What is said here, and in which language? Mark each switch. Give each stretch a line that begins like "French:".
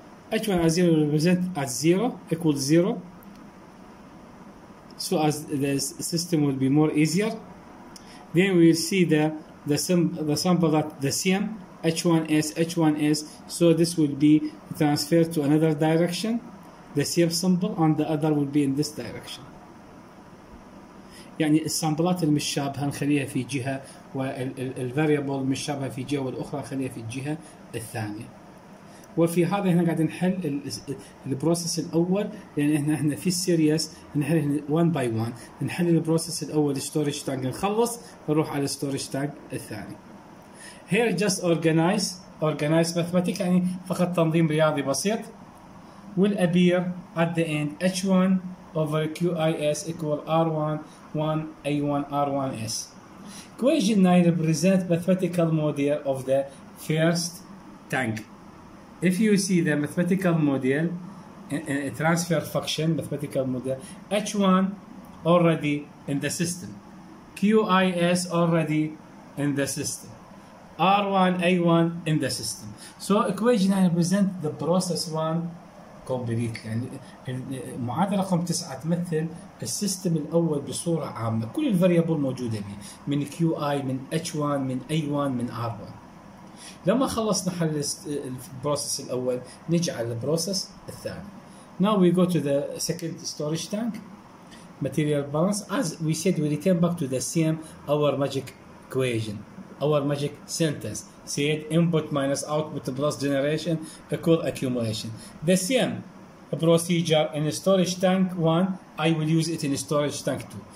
English: H1 at 0 represent at 0, equals 0. So as this system will be more easier. Then we will see the sample that the same, H1S, H1S. So this will be transferred to another direction. the same symbol and the other will be in this direction.
Arabic: يعني السامبلات المشابهة نخليها في جهة والفاريبل المشابهة في جهة والأخرى نخليها في الجهة الثانية. وفي هذا هنا قاعد نحل البروسيس الأول لأن يعني احنا في السيريس نحل وان باي وان نحل البروسيس الأول ستورج تاج نخلص نروح على ستورج تاج الثاني.
English: Here just organize mathematics
Arabic: يعني فقط تنظيم رياضي بسيط.
English: Will appear at the end H1 over QIS equal R1 1 A1 R1S. Equation 9 represents mathematical model of the first tank. If you see the mathematical model, a transfer function, mathematical model, H1 already in the system. QIS already in the system. R1, A1 in the system. So equation 9 represents the process 1 completely.
Arabic: يعني المعادلة رقم 9 تمثل السيستم الأول بصورة عامة. كل الفاريبل موجودة فيه. من QI, من H1, من A1, من R1. لما خلصنا حل البروسيس الأول نجي على البروسيس الثاني.
English: Now we go to the second storage tank. Material balance. As we said, we return back to the same our magic equation. Our magic sentence said input minus output plus generation equal accumulation. The same procedure in storage tank 1, I will use it in storage tank 2.